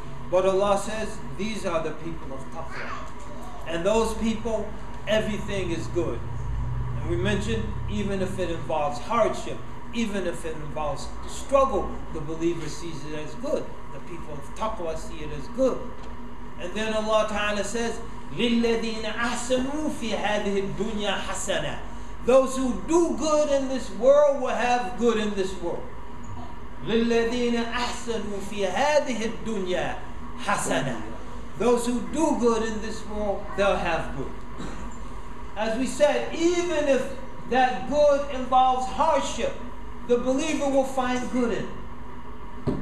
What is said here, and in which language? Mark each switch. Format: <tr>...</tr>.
<en>But Allah says, these are the people of Taqwa. And those people, everything is good. And we mentioned, even if it involves hardship, even if it involves struggle, the believer sees it as good. The people of Taqwa see it as good. And then Allah Ta'ala says,</en> <ar>لِلَّذِينَ أَحْسَنُوا فِي هَذِهِ الدُّنْيَا حَسَنًا.</ar> <en>Those who do good in this world will have good in this world.</en> <ar>لِلَّذِينَ أَحْسَنُوا فِي هَذِهِ الدُّنْيَا حَسَنًا.</ar> <en>Those who do good in this world, they'll have good. As we said, even if that good involves hardship, the believer will find good in it.</en>